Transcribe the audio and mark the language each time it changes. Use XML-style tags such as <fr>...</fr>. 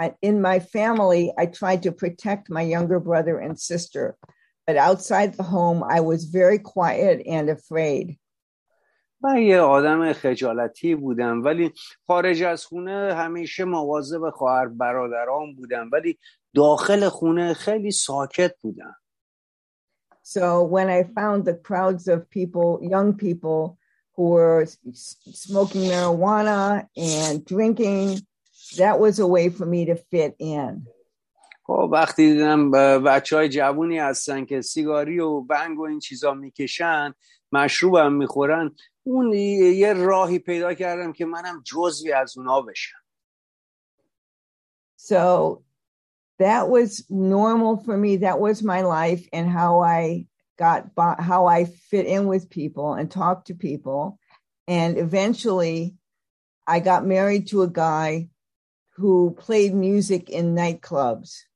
<en>In my family I tried to protect my younger brother and sister, but outside the home I was very quiet and afraid.</en> <fa>من یه آدم خجالتی بودم، ولی خارج از خونه همیشه مواظب خواهر برادران بودم، ولی داخل خونه خیلی ساکت بودم.</fa> <en>So when I found the crowds of people, young people who were smoking marijuana and drinking, that was a way for me to fit in.</en> <fa>خب وقتی دیدم بچهای جوونی هستن که سیگاری و بنگ و این چیزا میکشن، مشروبم میخورن، اون یه راهی پیدا کردم که منم جزوی از اونا بشم.</fa> <en>So that was normal for me. That was my life and how I got by, how I fit in with people and talk to people. And eventually I got married to a guy who played music in nightclubs.</en>